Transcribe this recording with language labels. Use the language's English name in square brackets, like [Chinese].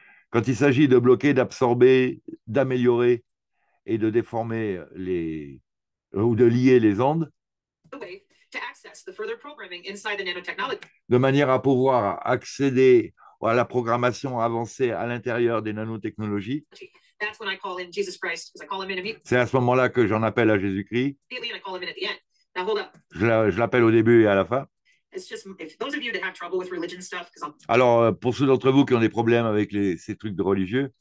[French] Quand il s'agit de bloquer, d'absorber, d'améliorer et de déformer ou de lier les ondes. [English] To access the further programming inside the nanotechnology. [French] De manière à pouvoir accéder à la programmation avancée à l'intérieur des nanotechnologies. [English] That's when I call in Jesus Christ, because I call him in immediately. [French] C'est à ce moment-là que j'en appelle à Jésus-Christ. [English] Immediately, I call him in at the end. Now hold up. [French] Je l'appelle au début et à la fin. [English] It's just if those of you that have trouble with religion stuff, because I'm. [French] Alors pour ceux d'entre vous qui ont des problèmes avec ces trucs de religieux.